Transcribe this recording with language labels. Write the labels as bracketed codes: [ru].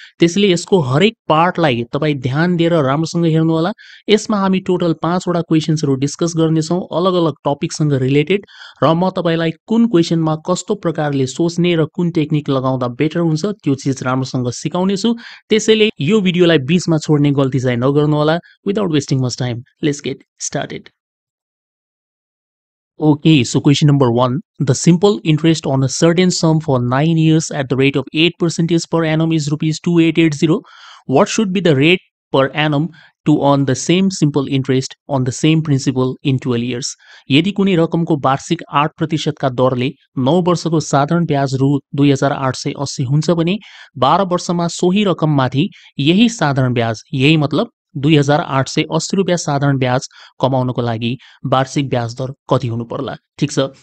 [ne] त्यसैले यसको हरेक पार्टलाई तपाईँ ध्यान दिएर राम्रोसँग हेर्नुहोला। यसमा हामी टोटल 5 क्वेसन्सहरू डिस्कस गर्नेछौँ अलग अलग टपिकसँग रिलेटेड, र म तपाईँलाई कुन क्वेसनमा कस्तो प्रकारले सोच्ने र कुन टेक्निक लगाउँदा बेटर हुन्छ त्यो चिज राम्रोसँग सिकाउनेछु। त्यसैले यो भिडियोलाई बिचमा छोड्ने गल्ती चाहिँ नगर्नुहोला। [en] Without wasting much time, let's get started. Okay, so question number 1, the simple interest on a certain sum for 9 years at the rate of 8% per annum is rupees 2880. What should be the rate per annum to earn the same simple interest on the same principal in 12 years? [ne] यदि कुनै रकमको वार्षिक 8% का दरले 9 वर्षको साधारण ब्याज रु 2880 हुन्छ भने 12 वर्षमा सोही रकममाथि यही साधारण ब्याज, यही मतलब 2880 रुपियाँ साधारण ब्याज कमाउनको लागि वार्षिक ब्याज दर कति हुनु पर्ला? ठिक छ।